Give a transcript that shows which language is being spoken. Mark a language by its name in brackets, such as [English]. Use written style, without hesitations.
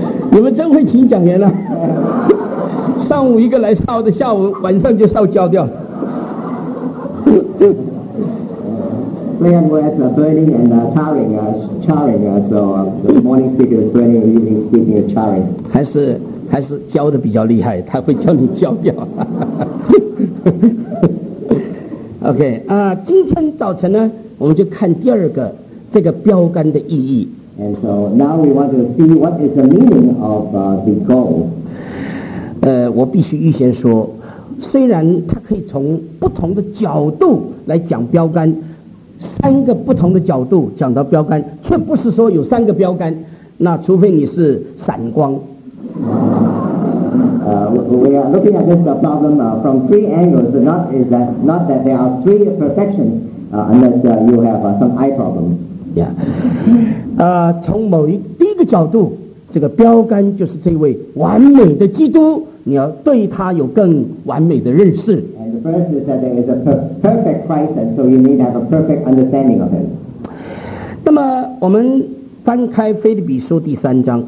[Chinese] 你们真会请讲员啊，上午一个来烧的，下午晚上就烧焦掉。 [English] Liam was burning and charring, charring. So the morning speaker is burning, evening speaker is charring. [Chinese] 还是焦的比较厉害，他会叫你焦掉。 OK 啊、今天早晨呢，我们就看第二个这个标杆的意义。 [English] And so now we want to see what is the meaning of the goal. [Chinese] 我必须预先说，虽然它可以从不同的角度来讲标杆，三个不同的角度讲到标杆，却不是说有三个标杆。那除非你是闪光。 [English] We are looking at this problem from three angles. Not that there are three perfections, unless you have some eye problem. Yeah. [Chinese] 从某一第一个角度，这个标杆就是这位完美的基督，你要对他有更完美的认识。 [English] And the first is that there is a perfect Christ, and so you need to have a perfect understanding of him. [Chinese] 那么我们翻开腓立比书第三章。